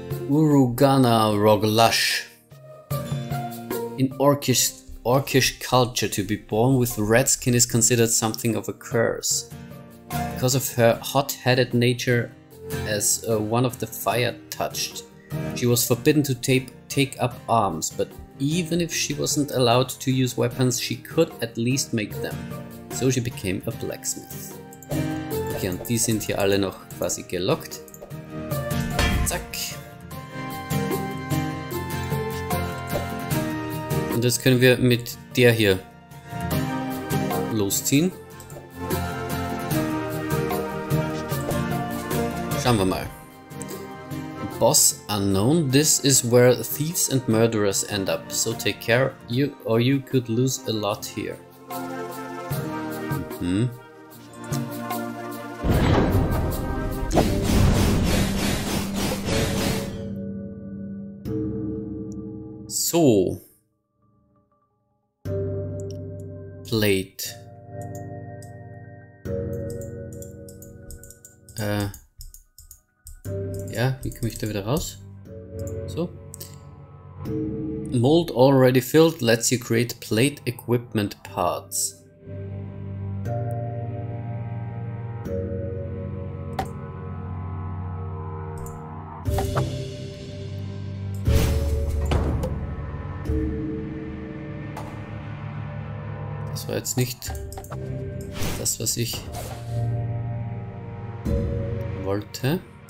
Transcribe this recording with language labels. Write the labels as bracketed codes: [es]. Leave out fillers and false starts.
[en] Urugana Roglash. In orcish culture, to be born with red skin is considered something of a curse. Because of her hot-headed nature as one of the fire touched, she was forbidden to take up arms, but even if she wasn't allowed to use weapons, she could at least make them. So she became a blacksmith. [de] Okay, und die sind hier alle noch quasi gelockt. Zack. Und jetzt können wir mit der hier losziehen. Schauen wir mal. [en] Boss unknown, this is where thieves and murderers end up. So take care, you or you could lose a lot here. Mhm. [de] So. [en] Plate. [de] Ja, wie komme ich da wieder raus? So. [en] Mold already filled lets you create plate equipment parts. [de] Das war jetzt nicht das, was ich wollte.